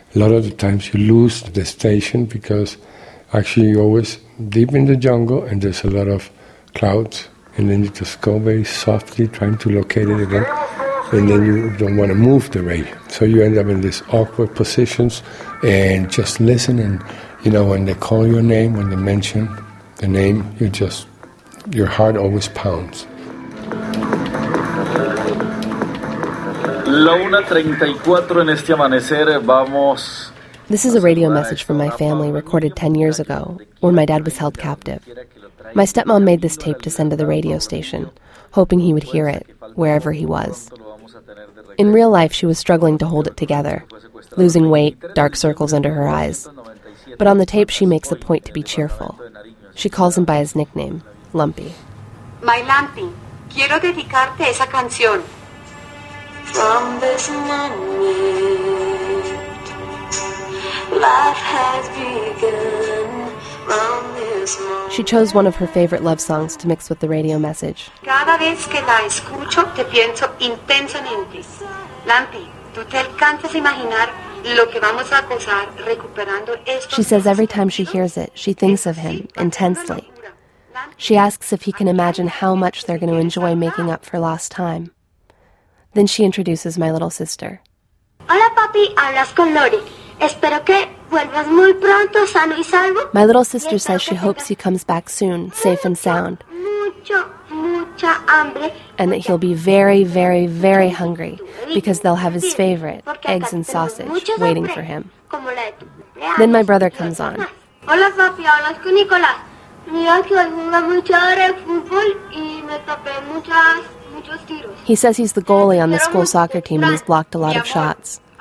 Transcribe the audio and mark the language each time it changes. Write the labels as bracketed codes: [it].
[en] A lot of the times you lose the station because actually you're always deep in the jungle and there's a lot of clouds and then you just go very softly trying to locate it again and then you don't want to move the radio. So you end up in these awkward positions and just listen and, you know, when they call your name, when they mention the name, your heart always pounds. [es] La 1:34 en este amanecer, vamos. [en] This is a radio message from my family recorded 10 years ago when my dad was held captive. My stepmom made this tape to send to the radio station, hoping he would hear it wherever he was. In real life, she was struggling to hold it together, losing weight, dark circles under her eyes. But on the tape, she makes a point to be cheerful. She calls him by his nickname, Lumpy. [es] My Lumpy, quiero dedicarte esa canción. [en] From this moment, life has begun. She chose one of her favorite love songs to mix with the radio message. [es] Cada vez que la escucho, te pienso intensamente. Lampi, tú te alcanzas a imaginar lo que vamos a gozar recuperando esto. [en] She says every time she hears it, she thinks of him intensely. She asks if he can imagine how much they're going to enjoy making up for lost time. Then she introduces my little sister. [es] Hola, papi. Hablas con Lori. Espero que vuelvas muy pronto, sano y salvo. [en] My little sister says she hopes he comes back soon, safe and sound. [es] Mucho, mucha hambre. [en] And that he'll be very, very, very hungry because they'll have his favorite, eggs and sausage, waiting for him. Then my brother comes on. [es] Hola, papi. Hablas con Nicolás. Mira que hoy jugué mucho de fútbol y me tapé muchas... [en] He says he's the goalie on the school soccer team and he's blocked a lot of shots.